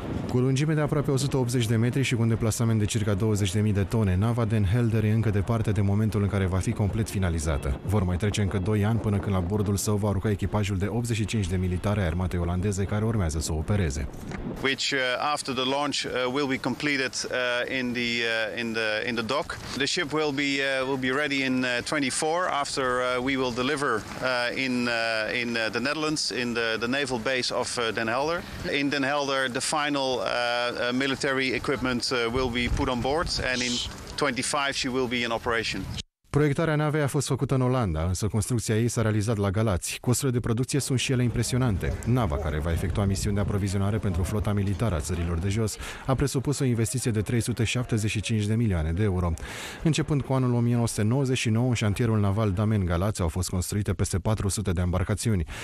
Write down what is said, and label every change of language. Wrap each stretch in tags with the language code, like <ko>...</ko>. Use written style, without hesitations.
<ro>Cu lungime de aproape 180 de metri și cu un deplasament de circa 20.000 de tone, nava Den Helder e încă departe de momentul în care va fi complet finalizată. Vor mai trece încă 2 ani până când la bordul său va arunca echipajul de 85 de militari ai armatei olandeze care urmează să opereze.</ro> <en>Which after the launch will be completed in the dock. The ship will be ready in 24 after we will deliver in the Netherlands in the naval base of Den Helder. In Den Helder the final military equipment will be put on board and in 25 she will be in operation.</en> <ro>Proiectarea navei a fost făcută în Olanda, însă construcția ei s-a realizat la Galați. Costurile de producție sunt și ele impresionante. Nava, care va efectua misiuni de aprovizionare pentru flota militară a țărilor de jos, a presupus o investiție de 375 de milioane de euro. Începând cu anul 1999, în șantierul naval Damen Galați au fost construite peste 400 de embarcațiuni.</ro>